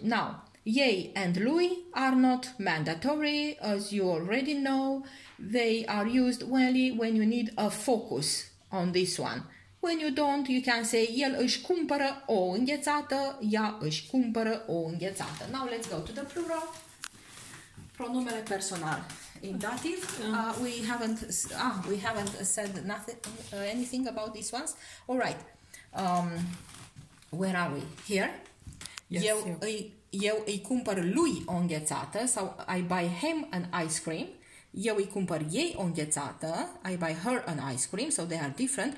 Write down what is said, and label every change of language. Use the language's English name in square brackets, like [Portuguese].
[English] Now, ei and lui are not mandatory, as you already know. They are used only when you need a focus on this one. When you don't, you can say, [Romanian] el își cumpără o înghețată, ea își cumpără o înghețată. [English] Now let's go to the plural. [Romanian] Pronumele personal. [English] In dative, we haven't said anything about these ones. All right. Where are we? Here. Yes, [Romanian] eu îi cumpăr lui o înghețată, [English] so I buy him an ice cream. [Romanian] Eu îi cumpăr ei o înghețată, [English] I buy her an ice cream, so they are different.